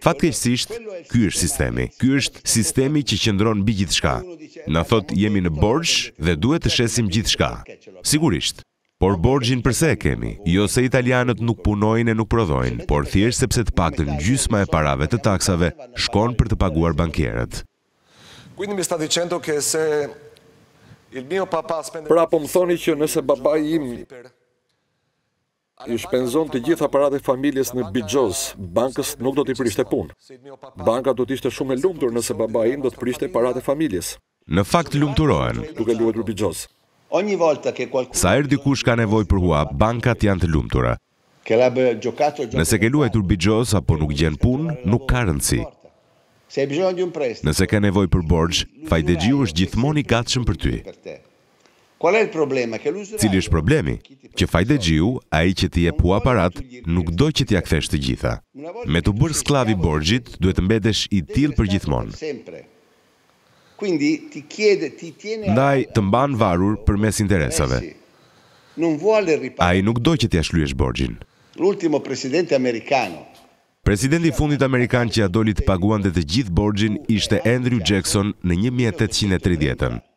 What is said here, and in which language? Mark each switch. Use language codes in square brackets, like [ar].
[sq] Fatkeqësisht, ky është sistemi. Ky është sistemi që qëndron mbi gjithçka. Na thot jemi në borxh dhe duhet të shesim gjithçka. Sigurisht. Por borgjin përse e kemi? Jo se italianët nuk punojnë e nuk prodhojnë, por thjesht sepse të paktën gjysma e parave të taksave shkon për të paguar bankierët. [it] Quindi mi sta dicendo che se il mio papà spende. [sq] Pra po më thoni që nëse babai im i shpenzon të gjitha paratë e familjes në Bigjoz, bankës nuk do t'i prishte punë. Banka do t'ishte shumë e lumtur nëse babai im do të prishte paratë e familjes. Në fakt lumturohen. Duke luetur Bigjoz. [it] Ogni volta che qualcuno [sq] sa erdi kush ka nevojë për huap, bankat janë të lumtura. [it] Che l'abbia giocato. [sq] Nëse ke luetur Bigjoz apo nuk gjen punë, nuk ka rëndësi. [it] Se hai bisogno di un prestito. [sq] Nëse ke nevojë për borxh, fajdexhiu është gjithmonë i gatshëm për ty. [it] Qual è il problema? Che l'usuraio. [sq] Cili është problemi? Që fajdexhiu, ai që ti jep hua parat, nuk do që t'ia kthesh të gjitha. Me të bërë skllav i borxhit, duhet të mbetesh i till për gjithmonë. [it] Quindi ti chiede, ti tiene. [sq] Ndaj të mban varur përmes interesave. [it] Non vuole riparare. [sq] Ai nuk do që t'ia shlyesh borxhin. [it] L'ultimo presidente americano. [sq] Presidenti fundit amerikan që ja doli të paguante të gjithë borxhin ishte Andrew Jackson në 1830-ën.